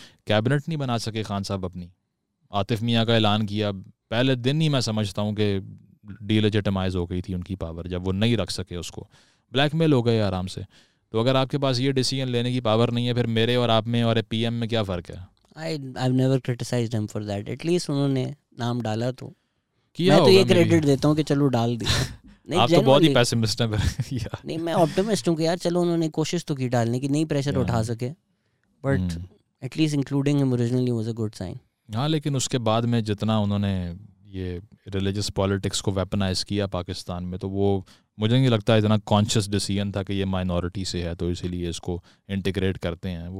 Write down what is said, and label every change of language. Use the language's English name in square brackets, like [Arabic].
[Hindi] Cabinet नहीं बना सके खान साहब अपनी, आतिफ मियाँ का ऐलान किया पहले दिन ही, मैं समझता हूँ कि डीलेजिटमाइज हो गई थी उनकी पावर जब वो नहीं रख सके, उसको ब्लैकमेल हो गए आराम से। तो अगर आपके पास ये डिसीजन लेने की पावर नहीं है, फिर मेरे और आप में और PM में क्या फ़र्क है? [English] I've never criticized him for that. At least [Hindi] उन्होंने नाम डाला तो किया, मैं तो ये क्रेडिट देता हूँ कि चलो डाल दिया। नहीं, आप तो बहुत ही पेसिमिस्ट हैं। नहीं, मैं ऑप्टिमिस्ट हूँ कि यार चलो उन्होंने कोशिश तो की डालने की, नहीं प्रेशर उठा सके, [English] But at least including him originally was a good sign. [Hindi] हाँ, लेकिन उसके बाद में जितना उन्होंने ये रिलीजियस पॉलिटिक्स को वेपनाइज किया पाकिस्तान में, तो वो मुझे नहीं लगता इतना कॉन्शियस डिसीजन था कि ये माइनॉरिटी से है तो इसीलिए इसको इंटीग्रेट करते हैं।